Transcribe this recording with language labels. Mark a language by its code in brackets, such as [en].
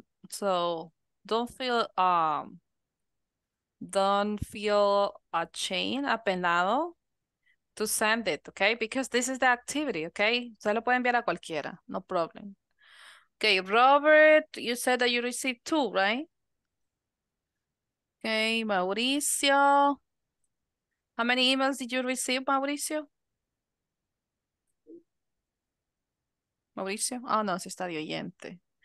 [en] So don't feel a chain, [es] apenado [en] to send it, okay? Because this is the activity, okay? [es] Se lo puede enviar a cualquiera, [en] no problem. Okay, Robert, you said that you received 2, right? Okay, Mauricio. How many emails did you receive, Mauricio? [es] Mauricio? Oh, no, se está de oyente.